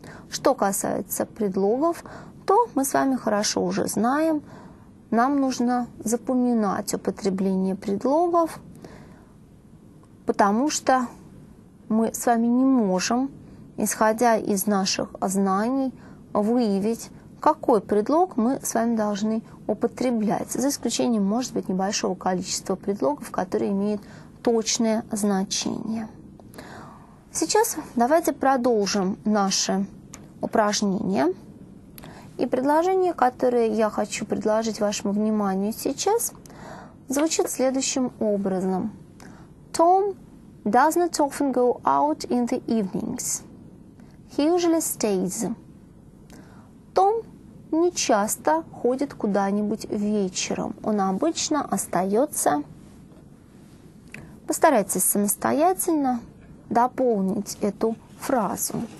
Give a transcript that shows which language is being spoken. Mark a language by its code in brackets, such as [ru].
[ru] Что касается предлогов, то мы с вами хорошо уже знаем, нам нужно запоминать употребление предлогов, потому что мы с вами не можем, исходя из наших знаний, выявить, какой предлог мы с вами должны употреблять, за исключением, может быть, небольшого количества предлогов, которые имеют точное значение. Сейчас давайте продолжим наше упражнение. И предложение, которое я хочу предложить вашему вниманию сейчас, звучит следующим образом. [en] Tom does not often go out in the evenings. He usually stays. [ru] Том не часто ходит куда-нибудь вечером. Он обычно остается. Постарайтесь самостоятельно дополнить эту фразу.